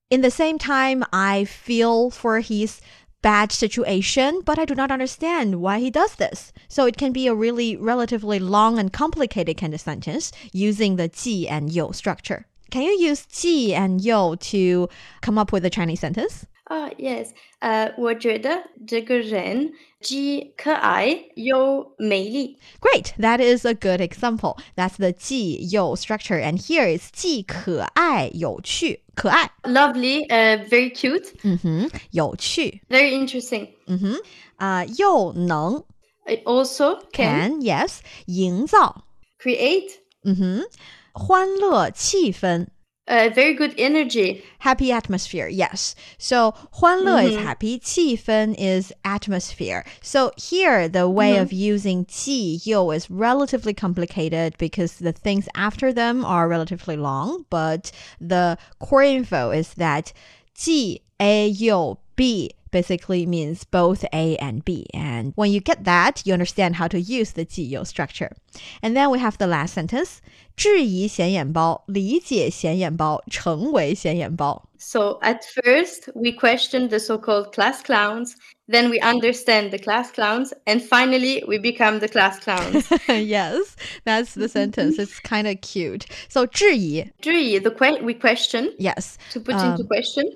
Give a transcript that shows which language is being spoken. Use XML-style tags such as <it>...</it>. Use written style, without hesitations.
<en>In the same time, I feel for his bad situation, but I do not understand why he does this. So it can be a really relatively long and complicated kind of sentence using the 既 and 又 structure. Can you use 既 and 又 to come up with a Chinese sentence? Yes.</en> <zh>我觉得这个人既可爱又美丽。</zh> <en>Great. That is a good example. That's the 既 又 structure. And here is</en> <zh>既可爱有趣。可爱</zh> <en>Lovely, very cute.</en> <zh>嗯哼，有趣</zh> <en>Very interesting.</en> <zh>嗯哼，又能</zh> <en>Also can. Can, yes. 营造 Create.</en> <zh>嗯哼，欢乐气氛</zh> <en>Very good energy. Happy atmosphere, yes. So, 欢乐 is happy, 气氛 is atmosphere. So, here, the way of using 既又 is relatively complicated because the things after them are relatively long, but the core info is that 既 A 又 B basically means both A and B. And when you get that, you understand how to use the 既又 structure. And then we have the last sentence.</en> <zh>质疑显眼包，理解显眼包，成为显眼包。</zh> <en>So at first, we question the so-called class clowns, then we understand the class clowns, and finally, we become the class clowns. Yes, that's the sentence. It's kind of cute. So 质疑。质疑, we question. Yes. To put into question.</en>